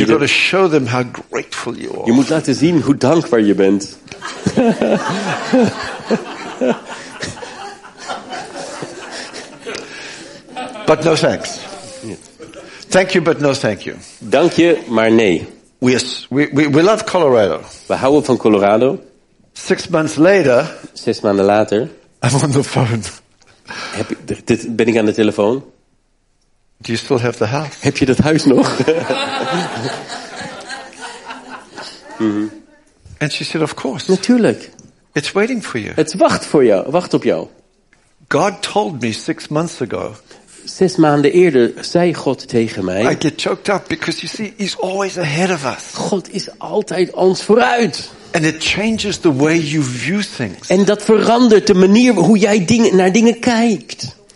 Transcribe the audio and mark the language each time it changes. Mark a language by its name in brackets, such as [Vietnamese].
[English] You've got to show them how grateful you are. [Dutch] Je moet laten zien hoe dankbaar je bent. [English] But no thanks. Thank you, but no thank you. [Dutch] Dank je, maar nee. [English] We love Colorado. [Dutch] We houden van Colorado. [English] 6 months later. [Dutch] 6 maanden later. [English] I'm on the phone. [Dutch] Ben ik aan de telefoon? [English] Do you still have the house? [Dutch] Heb je dat huis nog? [English] And she said, of course. [Dutch] Natuurlijk. [English] It's waiting for you. [Dutch] Het wacht voor jou. Wacht op jou. [English] God told me 6 months ago. [Dutch] 6 maanden eerder zei God tegen mij. [English] I get choked up because you see, he's always ahead of us. [Dutch] God is altijd ons vooruit. [English] And it changes the way you view things. [Dutch] En dat verandert de manier hoe jij naar dingen kijkt.